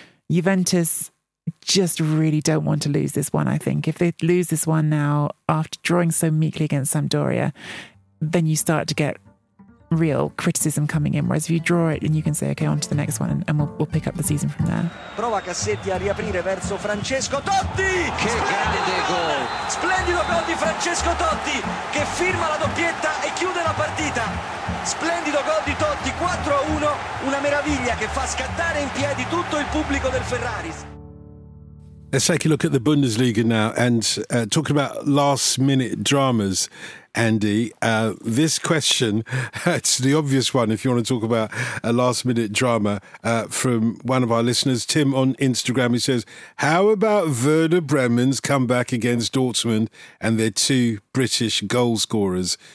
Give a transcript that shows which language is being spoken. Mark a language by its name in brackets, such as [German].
[English] Juventus just really don't want to lose this one, I think. If they lose this one now after drawing so meekly against Sampdoria, then you start to get real criticism coming in. Whereas if you draw it, then you can say, okay, on to the next one, and we'll pick up the season from there. [Italian] Prova Cassetti a riaprire verso Francesco Totti. Che grande gol! Splendido gol di Francesco Totti che firma la doppietta e chiude la partita. Splendido gol di Totti, 4-1, una meraviglia che fa scattare in piedi tutto il pubblico del Ferraris. [English] Let's take a look at the Bundesliga now, and talking about last-minute dramas. Andy. This question, it's the obvious one if you want to talk about a last-minute drama, from one of our listeners, Tim, on Instagram. He says, how about Werder Bremen's comeback against Dortmund and their two British goal scorers?